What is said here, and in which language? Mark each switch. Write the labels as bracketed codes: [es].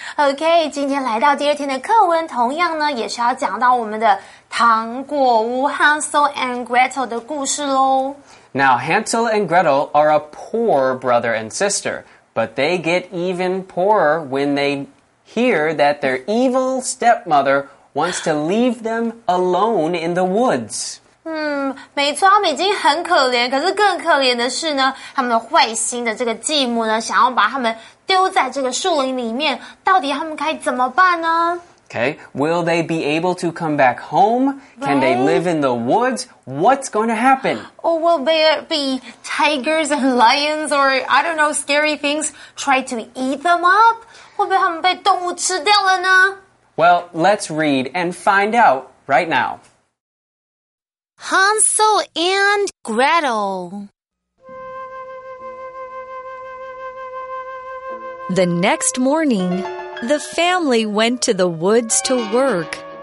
[zh] Okay, 今天来到第二天的课文，同样呢，也是要讲到我们的糖果屋 Hansel and Gretel 的故事咯。 [en] Now, Hansel and Gretel are a poor brother and sister, but they get even poorer when they hear that their evil stepmother wants to leave them alone in the woods. [zh] 没错，他们已经很可怜，可是更可怜的是呢，他们坏心的这个继母呢，想要把他们丢在这个树林里面，到底他们该怎么办呢？ [en] Okay, will they be able to come back home? Can they live in the woods? What's going to happen? Or will there be tigers and lions or, I don't know, scary things try to eat them up? [zh] 会不会他们被动物吃掉了呢？ [en] Well, let's read and find out right now. Hansel and Gretel. The next morning, the family went to the woods to work.